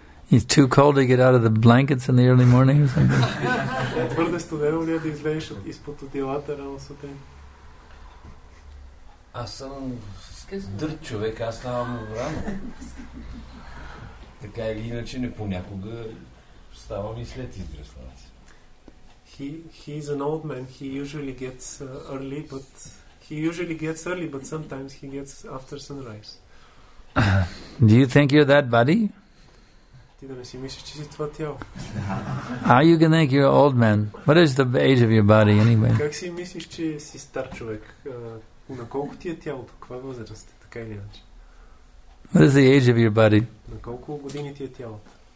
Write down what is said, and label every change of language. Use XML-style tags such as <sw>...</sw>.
<en>It's too cold to get out of the blankets in the early morning or something.</en> <bg>Аз съм дърт човек, аз ставам рано. така или иначе, не понякога ставам и след израстването.</bg> <en>He is an old man. He usually gets early, but sometimes he gets after sunrise. Do you think you're that body? Are you going to think you're an old man? What is the age of your body anyway?</en> <bg>Как си мислиш, че си стар човек? На колко ти е тялото? Каква възраст е, така или иначе?</bg> <en>What is the age of your body?</en> <bg>На колко години ти е тялото?</bg>